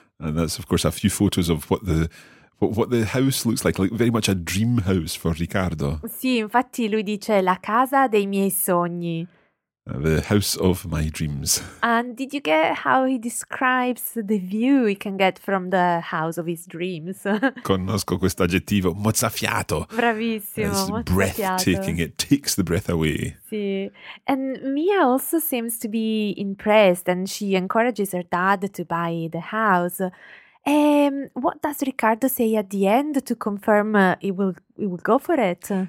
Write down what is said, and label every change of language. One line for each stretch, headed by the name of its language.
English: And that's, of course, a few photos of what the house looks like very much a dream house for Riccardo.
Italian: Sì, infatti lui dice la casa dei miei sogni.
English: The house of my dreams. And did you get how he describes the view he can get from the house of his dreams?
Italian: Conosco questo aggettivo, mozzafiato. Bravissimo,
English: it's breathtaking, it takes the breath away.
Italian: Sì,
English: and Mia also seems to be impressed and she encourages her dad to buy the house. What does Riccardo say at the end to confirm he will go for it?